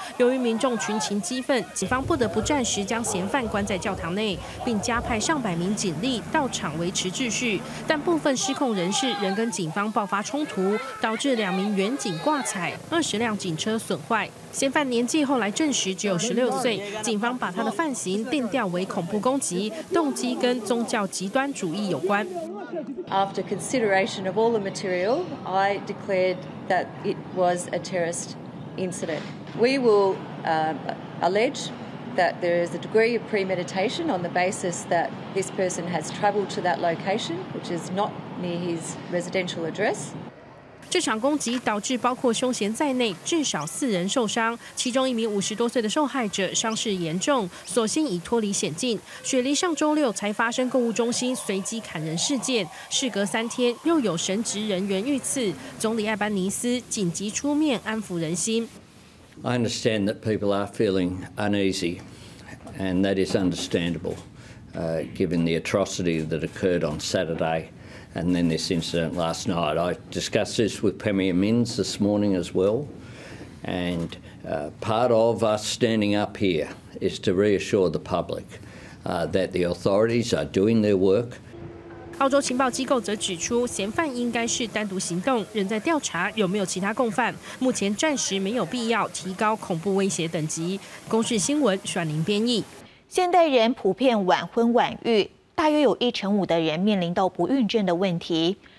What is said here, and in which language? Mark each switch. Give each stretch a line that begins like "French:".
Chinese: 由于民众群情激愤，警方不得不暂时将嫌犯关在教堂内，并加派上100名警力到场维持秩序。但部分失控人士仍跟警方爆发冲突，导致2名远警挂彩，20辆警车损坏。嫌犯年纪后来证实只有16岁，警方把他的犯行定调为恐怖攻击，动机跟宗教极端主义有关。
English: After consideration of all the material, I declared that it was a terrorist incident. We will allege that there is a degree of premeditation on the basis that this person has travelled to that location, which is not near his residential address.
Chinese: 这场攻击导致包括凶嫌在内至少4人受伤，其中一名50多岁的受害者伤势严重，所幸已脱离险境。雪梨上周六才发生购物中心随机砍人事件，事隔3天又有神职人员遇刺，总理艾班尼斯紧急出面安抚人心。
English: I understand that people are feeling uneasy, and that is understandable, given the atrocity that occurred on Saturday. And then this incident last night. I discussed this with Premier Minns this morning as well. And part of us standing up here is to reassure the public that the authorities are doing their work.
Chinese: 澳洲情报机构则指出，嫌犯应该是单独行动，仍在调查有没有其他共犯，目前暂时没有必要提高恐怖威胁等级。公视新闻阮玲编译。现代人普遍晚婚晚育，大约有1/5的人面临到不孕症的问题。